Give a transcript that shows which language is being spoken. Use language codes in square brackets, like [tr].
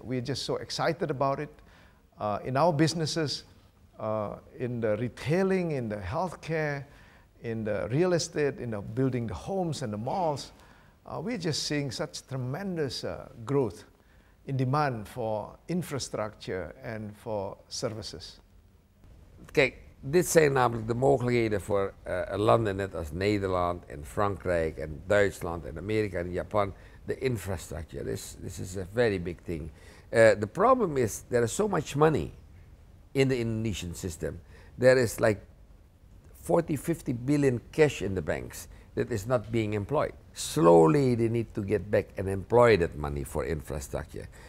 [en] We're just so excited about it. In our businesses, in the retailing, in the healthcare, in the real estate, in the building the homes and the malls, we're just seeing such tremendous growth in demand for infrastructure and for services. [nl] Kijk, dit zijn namelijk de mogelijkheden voor landen net als Nederland en Frankrijk en Duitsland en Amerika en Japan. [en] De infrastructure, this is a very big thing. The problem is, there is so much money in the Indonesian system. There is like 40, 50 billion cash in the banks that is not being employed. Slowly they need to get back and employ that money for infrastructure.